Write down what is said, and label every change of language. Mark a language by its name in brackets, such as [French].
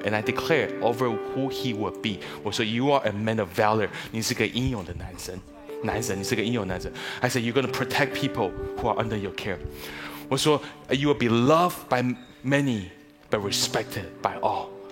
[English] And I declare over who he will be. [Chinese] 我说 [English] ，You are a man of valor. [Chinese] 你是个英勇的男生，男神。你是个英勇男神。 [English] I say you're going to protect people who are under your care. [Chinese] 我说 [English] ，You will be loved by many, but respected by all.